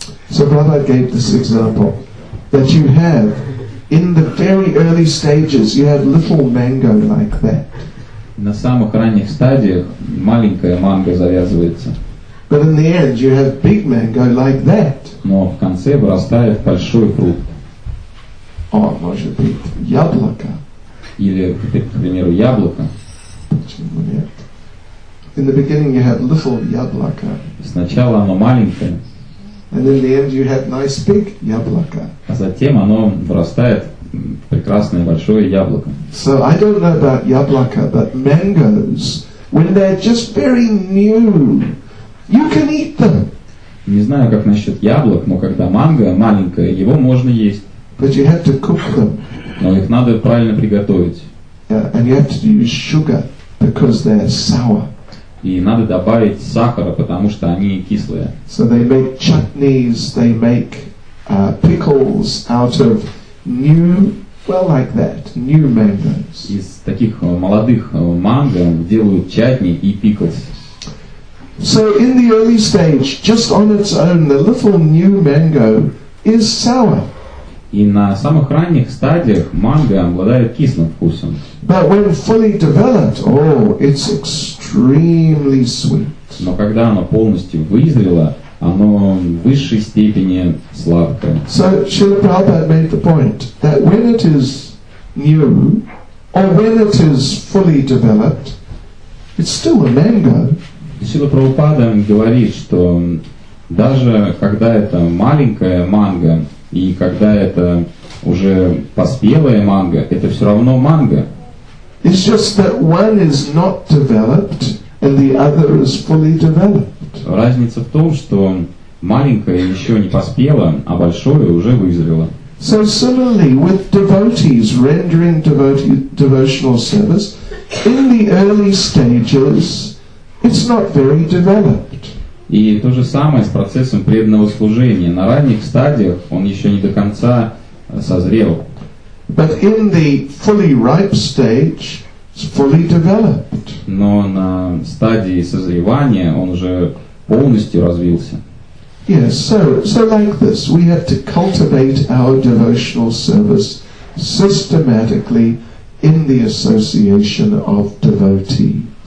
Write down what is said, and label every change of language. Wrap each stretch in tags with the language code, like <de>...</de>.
<en>So Prabhupada gave this example that you have in the very early stages, you have little mango like that.</en> <ru>На самых ранних стадиях маленькая манго завязывается.</ru> <en>But in the end, you have big mango like that.</en> <ru>Но в конце вырастает большой фрукт. О, может быть, яблоко. Или, к примеру, яблоко. Почему нет?</ru> <en>In the beginning, you had little яблоко.</en> <ru>Сначала оно маленькое.</ru> <en>And in the end, you had nice big яблоко.</en> <ru>А затем оно вырастает прекрасное большое яблоко.</ru> <en>So I don't know about яблоко, but mangoes, when they're just very new. You can eat them.</en> <ru>Не знаю, как насчет яблок, но когда манго маленькое, его можно есть.</ru> <en>But you have to cook them.</en> <ru>Но их надо правильно приготовить.</ru> <en>Yeah, and you have to use sugar because they're sour.</en> <ru>И надо добавить сахара, потому что они кислые.</ru> <en>So they make chutneys, they make pickles out of new, well, like that, new mangoes.</en> <ru>Из таких молодых манго делают чатни и пиклс.</ru> <en>So in the early stage, just on its own, the little new mango is sour.</en> <ru>И на самых ранних стадиях манго обладает кислым вкусом.</ru> <en>But when fully developed, oh, it's extremely sweet.</en> <ru>Но когда оно полностью вызрело, оно в высшей степени сладкое.</ru> <en>So Srila Prabhupada made the point that when it is new, or when it is fully developed, it's still a mango.</en> <ru>Сила Прабхупада говорит, что даже когда это маленькая манго, и когда это уже поспелая манго, это все равно манго.</ru> <en>It's just that one is not developed, and the other is fully developed.</en> <ru>Разница в том, что маленькая еще не поспела, а большое уже вызрело.</ru> <en>So similarly, with devotees rendering devotional service, in the early stages, it's not very developed.</en> <ru>И то же самое с процессом преданного служения. На ранних стадиях он еще не до конца созрел.</ru> <en>But in the fully ripe stage, it's fully developed.</en> <ru>Но на стадии созревания он уже полностью развился.</ru> <en>Yes, so like this, we have to cultivate our devotional service systematically in the association of devotees.</en>